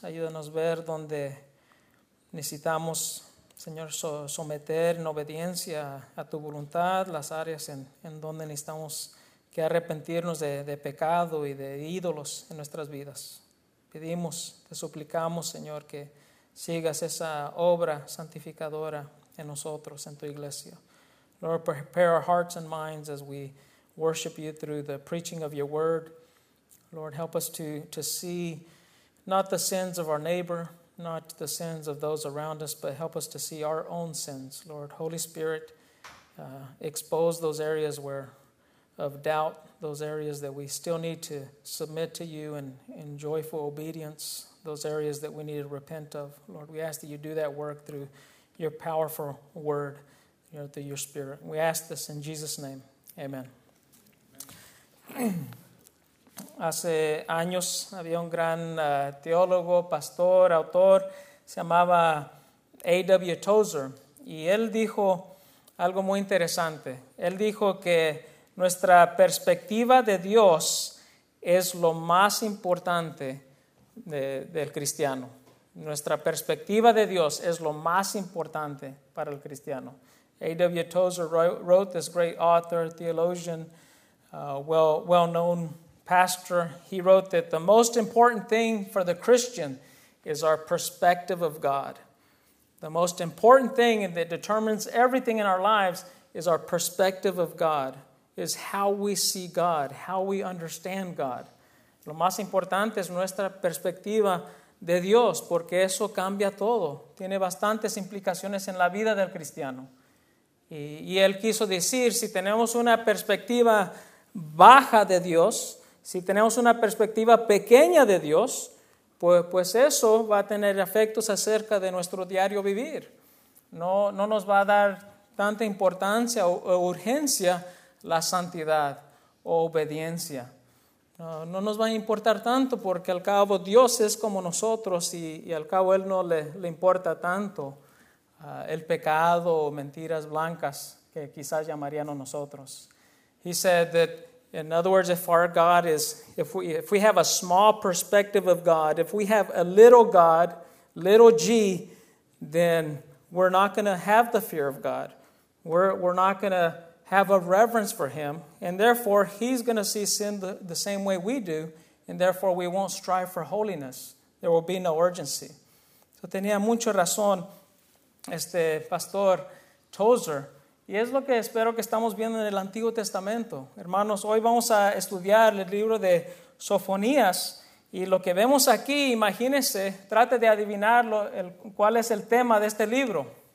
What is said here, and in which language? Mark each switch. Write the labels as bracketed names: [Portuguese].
[Spanish] Ayúdanos a ver donde necesitamos, Señor, someter en obediencia a tu voluntad, las áreas en donde necesitamos que arrepentirnos de pecado y de ídolos en nuestras vidas. Pedimos, te suplicamos, Señor, que sigas esa obra santificadora en nosotros, en tu iglesia. [English] Lord, prepare our hearts and minds as we worship you through the preaching of your word. Lord, help us to see not the sins of our neighbor, not the sins of those around us, but help us to see our own sins. Lord, Holy Spirit, expose those areas where of doubt, those areas that we still need to submit to you in joyful obedience. Those areas that we need to repent of. Lord, we ask that you do that work through your powerful word, you know, through your spirit. We ask this in Jesus' name. Amen. Amen. [Spanish] Hace años había un gran teólogo, pastor, autor, se llamaba A.W. Tozer, y él dijo algo muy interesante. Él dijo que nuestra perspectiva de Dios es lo más importante del cristiano. Nuestra perspectiva de Dios es lo más importante para el cristiano. [English] A.W. Tozer wrote this great author, theologian, well-known pastor. He wrote that the most important thing for the Christian is our perspective of God. The most important thing that determines everything in our lives is our perspective of God, is how we see God, how we understand God. [Spanish] Lo más importante es nuestra perspectiva de Dios, porque eso cambia todo. Tiene bastantes implicaciones en la vida del cristiano. Y él quiso decir, si tenemos una perspectiva baja de Dios, si tenemos una perspectiva pequeña de Dios, pues eso va a tener efectos acerca de nuestro diario vivir. No nos va a dar tanta importancia o urgencia la santidad o obediencia. No nos va a importar tanto porque al cabo Dios es como nosotros y al cabo Él no le importa tanto el pecado o mentiras blancas que quizás llamaríamos nosotros. [English] He said that, in other words, if our God is, if we have a small perspective of God, if we have a little God, little g, then we're not going to have the fear of God. We're not going to have a reverence for him. And therefore, he's going to see sin the same way we do. And therefore, we won't strive for holiness. There will be no urgency. [Spanish] So tenía mucho razón Pastor Tozer. Y es lo que espero que estamos viendo en el Antiguo Testamento. Hermanos, hoy vamos a estudiar el libro de Sofonías. Y lo que vemos aquí, imagínense, trate de adivinar cuál es el tema de este libro.